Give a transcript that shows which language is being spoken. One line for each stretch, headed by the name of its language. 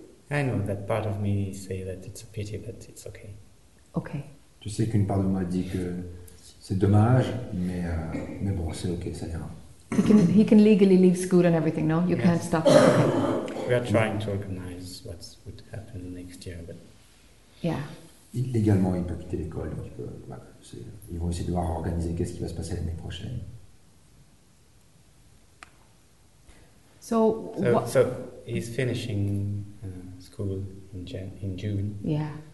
English: I know that part of me say that it's a pity, but it's okay. Okay.
French: Tu sais qu'une part de moi dit que c'est dommage, mais bon, c'est okay, ça ira.
English: He can legally leave school and everything. No, you yes. Can't stop him. Okay. We are trying to organize what would happen next year, but yeah.
French: Légalement, il peut quitter l'école, donc ils vont essayer de voir organiser qu'est-ce qui va se passer l'année prochaine.
English: So he's finishing school in June. Yeah.